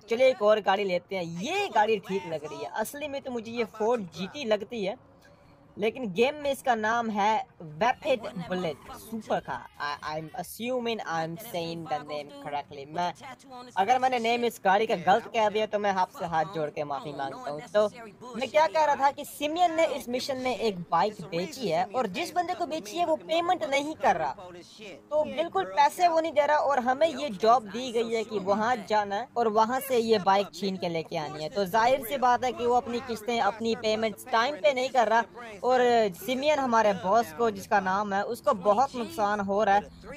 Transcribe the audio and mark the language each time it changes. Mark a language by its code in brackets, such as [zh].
[hi] चलिए एक और गाड़ी लेते हैं, ये गाड़ी ठीक लग रही है। असली में तो मुझे ये फोर्ड जीटी लगती है लेकिन गेम में इसका नाम है वेपिड बुलेट सुपर का। [en] I'm assuming I'm saying the name correctly। [hi] मैं, अगर मैंने नेम इस गाड़ी का गलत कह दिया तो मैं आपसे हाथ जोड़ के माफी मांगता हूँ। तो मैं क्या कह रहा था कि सिमियन ने इस मिशन में एक बाइक बेची है और जिस बंदे को बेची है वो पेमेंट नहीं कर रहा, तो बिल्कुल पैसे वो नहीं दे रहा। और हमें ये जॉब दी गई है कि वहां जाना और वहां से ये बाइक छीन के लेके आनी है। तो जाहिर सी बात है कि वो अपनी किस्तें, अपनी पेमेंट टाइम पे नहीं कर रहा और सिमियन हमारे बॉस को, जिसका नाम है, उसको बहुत नुकसान हो रहा है।